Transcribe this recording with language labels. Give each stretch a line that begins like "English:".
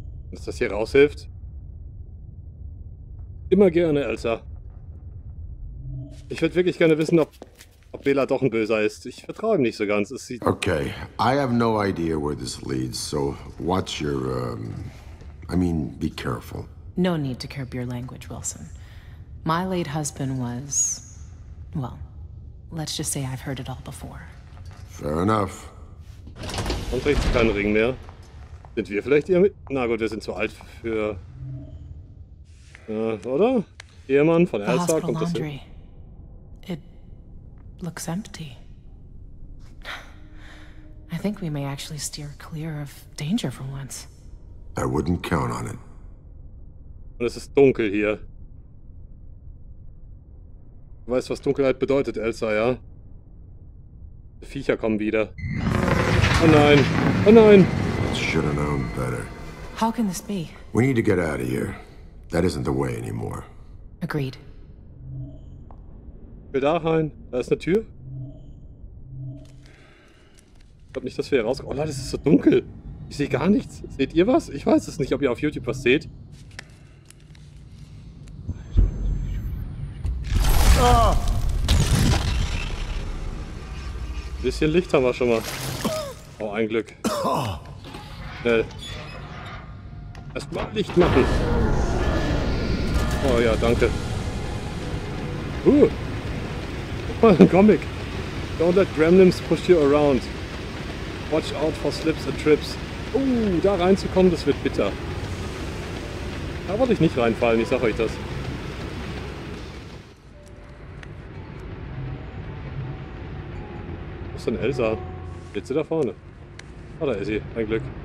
German: Dass das hier raushilft. Immer gerne, Elsa. Ich würde wirklich gerne wissen, ob Bela doch ein Böser ist. Ich vertraue ihm nicht so ganz. Es sieht
English: okay, I have no idea where this leads, so watch your, be careful. No need to curb your language, Wilson. My late husband was, well, let's just say I've heard it all before. Fair enough.
German: Und trägt sie keinen Ring mehr. Sind wir vielleicht ihr Na gut, wir sind zu alt für... oder? Ehemann von Elsa, kommt das hin?
English: Looks empty. I think we may actually steer clear of danger for once. I wouldn't count on it.
German: Und es ist dunkel hier. Du weißt, was Dunkelheit bedeutet, Elsa, ja? Die Viecher kommen wieder. Oh nein! Oh nein!
English: I should have known better. How can this be? We need to get out of here. That isn't the way anymore. Agreed.
German: Ich will da rein. Da ist eine Tür. Ich glaube nicht, dass wir hier rauskommen. Oh Leute, es ist so dunkel. Ich sehe gar nichts. Seht ihr was? Ich weiß es nicht, ob ihr auf YouTube was seht. Ein bisschen Licht haben wir schon mal. Oh, ein Glück. Schnell. Erstmal Licht machen. Oh ja, danke. Ein Comic.
English: Don't let gremlins push you around. Watch out for slips and trips.
German: Da reinzukommen, das wird bitter. Da wollte ich nicht reinfallen, ich sag euch das. Wo ist denn Elsa? Geht sie da vorne? Oh, da ist sie. Ein Glück.